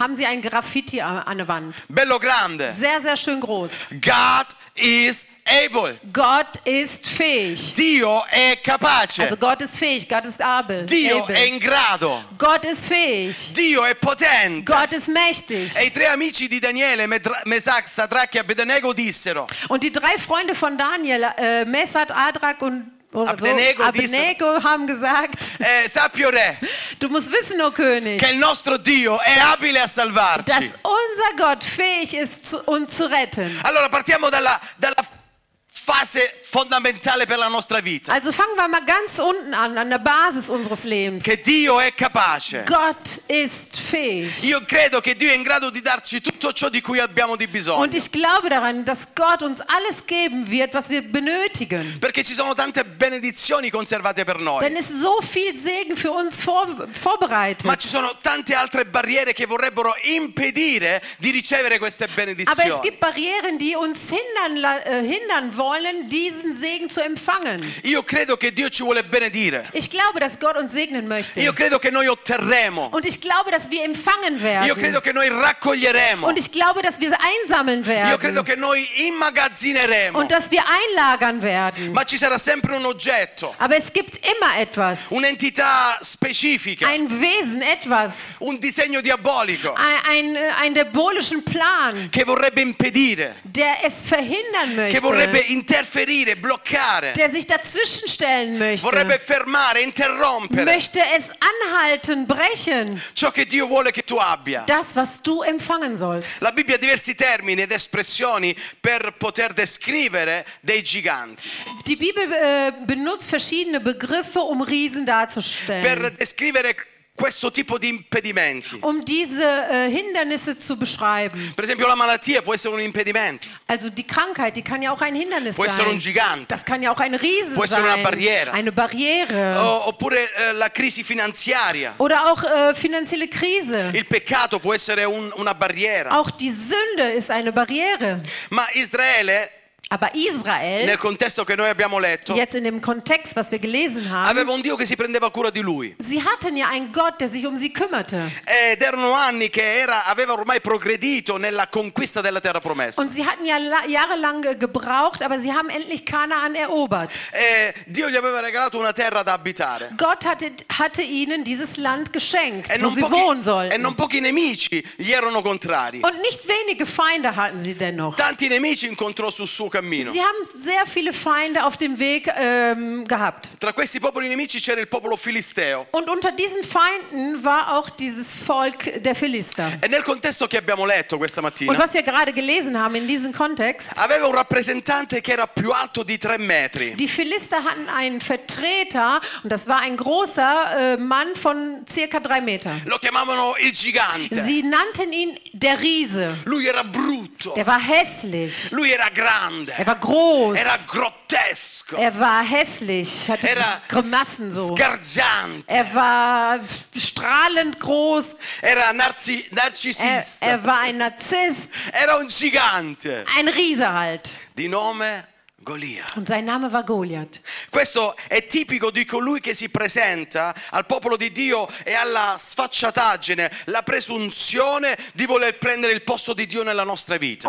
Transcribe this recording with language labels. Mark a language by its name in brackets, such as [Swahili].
[German] Haben sie ein Graffiti an der Wand. [Italian] Bello grande. [German] Sehr, sehr schön groß. [English] God is able. [German] Gott ist fähig. [Italian] Dio è capace. [German] Also Gott ist fähig. Gott ist able. [Italian] Dio è in grado. [German] Gott ist fähig. [Italian] Dio è potente. [German] Gott ist mächtig. [Italian] E i tre amici di Daniele, Mesach, Sadrach e Abednego dissero. [German] Und die drei Freunde von Daniel, Mesach, Adrak und Abednego haben gesagt, [Italian] sappio re, [German] du musst wissen, o König, [Italian] che il nostro Dio è abile a salvarci. [German] Dass unser Gott fähig ist, uns zu retten. [Italian] Allora partiamo dalla fase fondamentale per la nostra vita. [German] Also fangen wir mal ganz unten an der Basis unseres Lebens. [Italian] Che Dio è capace. [German] Gott ist fähig. [Italian] Io credo che Dio è in grado di darci tutto ciò di cui abbiamo di bisogno. [German] Und ich glaube daran, dass Gott uns alles geben wird, was wir benötigen. [Italian] Perché ci sono tante benedizioni conservate per noi. [German] Denn es ist so viel Segen für uns vorbereitet. [Italian] Ma ci sono tante altre barriere che vorrebbero impedire di ricevere queste benedizioni. [German] Aber es gibt Barrieren, die uns hindern wollen. wollen diesen Segen zu empfangen. [Italian] Io credo che Dio ci vuole benedire. [German] Ich glaube, dass Gott uns segnen möchte. [Italian] Io credo che noi otterremo. [German] Und ich glaube, dass wir empfangen werden. [Italian] Io credo che noi raccoglieremo. [German] Und ich glaube, dass wir einsammeln werden. [Italian] Io credo che noi immagazzineremo. [German] Und dass wir einlagern werden. [Italian] Ma ci sarà sempre un oggetto. [German] Aber es gibt immer etwas. [Italian] Un'entità specifica. [German] Ein Wesen, etwas. [Italian] Un disegno diabolico. [German] Ein diabolischen Plan. [Italian] Che vorrebbe impedire. [German] Der es verhindern möchte. [Italian] Che vorrebbe interferire, bloccare. [German] Der sich dazwischenstellen möchte. [Italian] Vorrebbe fermare, interrompere. [German] Möchte es anhalten, brechen. [Italian] Ciò che Dio vuole che tu abbia. [German] Das, was du empfangen sollst. [Italian] La Bibbia ha diversi termini ed espressioni per poter descrivere dei giganti. [German] Die Bibel benutzt verschiedene Begriffe, um Riesen darzustellen. [Italian] Per descrivere questo tipo di impedimenti. [German] Um diese Hindernisse zu beschreiben. [Italian] Per esempio la malattia può essere un impedimento. [German] Also die Krankheit, die kann ja auch ein Hindernis [Italian] può [German] sein. [Italian] Può essere un gigante. [German] Das kann ja auch ein Riese sein. [Italian] Può essere [German] sein. [Italian] Una barriera. [German] Eine Barriere. [Italian] Oppure la crisi finanziaria. [German] Oder auch finanzielle Krise. [Italian] Il peccato può essere una barriera. [German] Auch die Sünde ist eine Barriere. [Italian] Ma Israele. [German] Aber Israel, [Italian] nel contesto che noi abbiamo letto, [German] jetzt in dem Kontext, was wir gelesen haben, [Italian] aveva un Dio che si prendeva cura di lui. [German] Sie hatten ja einen Gott, der sich um sie kümmerte. [Italian] Ed erano anni che aveva ormai progredito nella conquista della terra promessa. [German] Und sie hatten ja jahrelang gebraucht, aber sie haben endlich Kanaan erobert. [Italian] Dio gli aveva regalato una terra da abitare. [German] Gott hatte ihnen dieses Land geschenkt, wo sie wohnen sollten. [Italian] E non pochi nemici gli erano contrari. [German] Und nicht wenige Feinde hatten sie dennoch. [Italian] Tanti nemici incontrò sul suo cammino. [German] Sie haben sehr viele Feinde auf dem Weg gehabt. [Italian] Tra questi popoli nemici c'era il popolo filisteo. [German] Und unter diesen Feinden war auch dieses Volk der Philister. [Italian] E nel contesto che abbiamo letto questa mattina. [German] Und was wir gerade gelesen haben in diesem Kontext. [Italian] Aveva un rappresentante che era più alto di 3 metri. [German] Die Philister hatten einen Vertreter und das war ein großer Mann von circa 3 Meter. [Italian] Lo chiamavano il gigante. [German] Sie nannten ihn der Riese. [Italian] Lui era brutto. [German] Der war hässlich. [Italian] Lui era grande. [German] Er war groß. [Italian] Era grottesco. [German] Er war hässlich. Hatte [Italian] era [German] Grimassen so. [Italian] Sgargiante. [German] Er war strahlend groß. [Italian] Era narcisista. [German] Er war ein Narziss. [Italian] Era un gigante. [German] Ein Riese halt. [Italian] Di nome Golia. [German] Und sein Name war Goliath. [Italian] Questo è tipico di colui che si presenta al popolo di Dio e alla sfacciataggine, la presunzione di voler prendere il posto di Dio nella nostra vita.